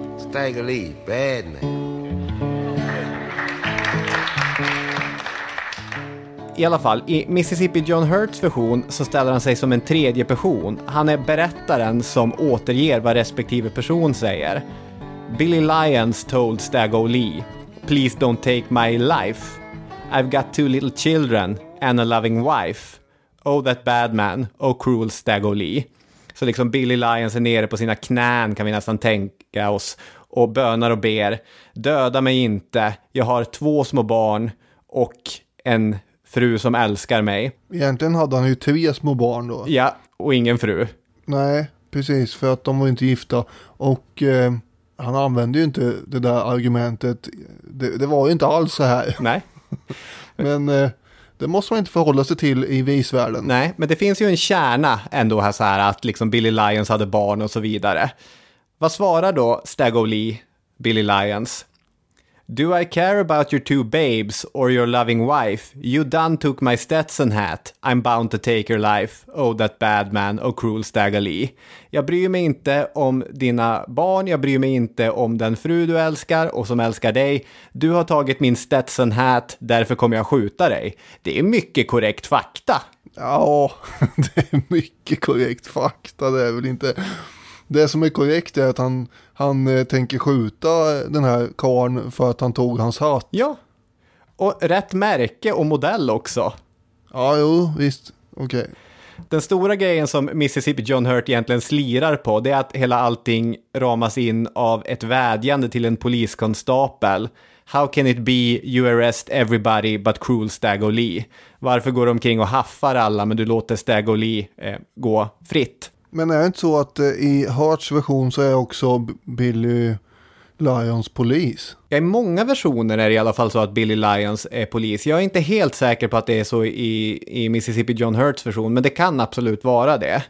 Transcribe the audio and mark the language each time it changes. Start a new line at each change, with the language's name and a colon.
English: Stack Lee, bad man.
Swedish: I alla fall, i Mississippi John Hurts version så ställer han sig som en tredje person. Han är berättaren som återger vad respektive person säger.
English: Billy Lyons told Stag O'Lee, "Please don't take my life. I've got 2 little children and a loving wife. Oh, that bad man. Oh, cruel Stag O'Lee."
Swedish: Så liksom Billy Lyons är nere på sina knän, kan vi nästan tänka oss, och bönar och ber, "Döda mig inte. Jag har 2 små barn och en fru som älskar mig." Egentligen hade han ju 3 små barn då. Ja, och ingen fru. Nej, precis, för att de var inte gifta. Och... Han använde ju inte det där argumentet. Det var ju inte alls så här. Nej. Men det måste man inte förhålla sig till i visvärlden. Nej, men det finns ju en kärna ändå här så här att liksom Billy Lyons hade barn och så vidare. Vad svarar då Stag O'Lee, Billy Lyons?
English: "Do I care about your 2 babes or your loving wife? You done took my Stetson hat. I'm bound to take your life. Oh, that bad man. Oh, cruel Stag O'Lee."
Swedish: Jag bryr mig inte om dina barn. Jag bryr mig inte om den fru du älskar och som älskar dig. Du har tagit min Stetson hat. Därför kommer jag skjuta dig. Det är mycket korrekt fakta. Ja, det är mycket korrekt fakta. Det är väl inte... Det som är korrekt är att han tänker skjuta den här karen för att han tog hans hat. Ja, och rätt märke och modell också. Ja, jo, visst. Okej. Okay. Den stora grejen som Mississippi John Hurt egentligen slirar på, det är att hela allting ramas in av ett vädjande till en poliskonstapel.
English: "How can it be you arrest everybody but cruel Stag O'Lee?"
Swedish: Varför går du omkring och haffar alla men du låter Stag O'Lee gå fritt? Men är det inte så att i Hurts version så är också Billy Lyons polis? Ja, i många versioner är det i alla fall så att Billy Lyons är polis. Jag är inte helt säker på att det är så i Mississippi John Hurts version, men det kan absolut vara det.